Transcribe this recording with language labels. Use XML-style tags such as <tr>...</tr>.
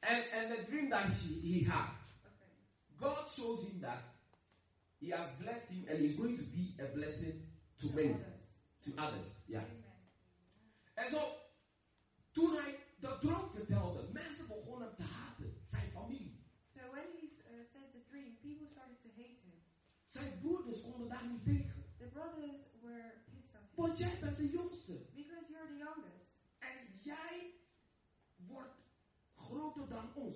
<nl>en de</nl> <en>dream that he had, God shows him that he has blessed him and he's going to be a blessing to many. To others, yeah.</en> <nl>En zo, toen hij de droom vertelde, mensen begonnen te haten zijn familie.</nl> <en>So when he said the dream, people started to hate him.</en> <nl>Zijn broeders konden daar niet tegen.</nl> <en>The brothers were pissed off.</en> <nl>Want jij bent de jongste.</nl> <en>Because you're the youngest.</en> <nl>En jij wordt groter dan ons.</nl>